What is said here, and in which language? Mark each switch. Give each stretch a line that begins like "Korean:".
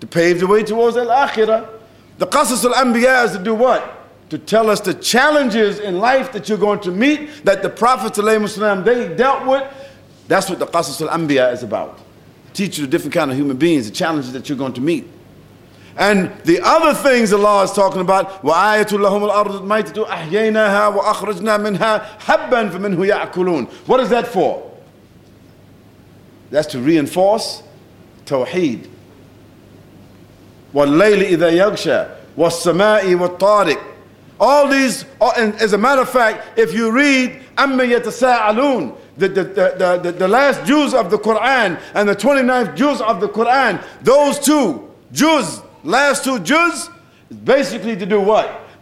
English: To pave the way towards Al Akhirah. The Qasas al Anbiya is to do what? To tell us the challenges in life that you're going to meet that the Prophet they dealt with. That's what the Qasas al Anbiya is about. Teach you the different kind of human beings, the challenges that you're going to meet. And the other things Allah is talking about,
Arabic: وَآيَةُ لَهُمُ الْأَرْضُ الْمَيْتَةُ أَحْيَيْنَاهَا وَأَخْرَجْنَا مِنْهَا حَبًّا فَمِنْهُ يَأْكُلُونَ.
English: What is that for? That's to reinforce Tawheed.
Arabic: وَاللَّيْلِ إِذَا يَغْشَى وَالسَّمَاءِ وَالطَّارِقِ.
English: All these, as a matter of fact, if you read
Arabic: أَمَّا يَتَسَاءَلُونَ,
English: the last juz of the Quran and the 29th juz of the Quran, those two juz, last two juz, basically to do what?